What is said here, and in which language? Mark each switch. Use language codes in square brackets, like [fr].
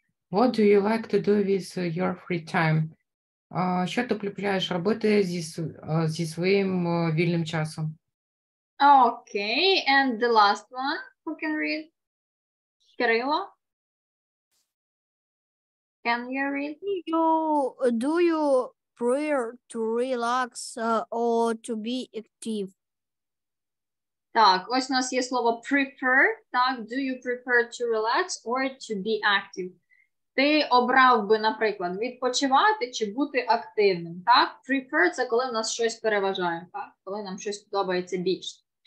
[en] What do you like to do with your free time? [uk] Що ти полюбляєш робити зі своїм вільним часом? [en] Окей, and the last one, who can read? [uk] Кирило? [en] Can you read? Do you prayer to relax or to be active? [uk] Так, ось у нас є слово prefer, так? [en] Do you prefer to relax or to be active? [uk] Ти обрав би, наприклад, відпочивати чи бути активним, так? Prefer – це коли в нас щось переважає, так? Коли нам щось подобається більше.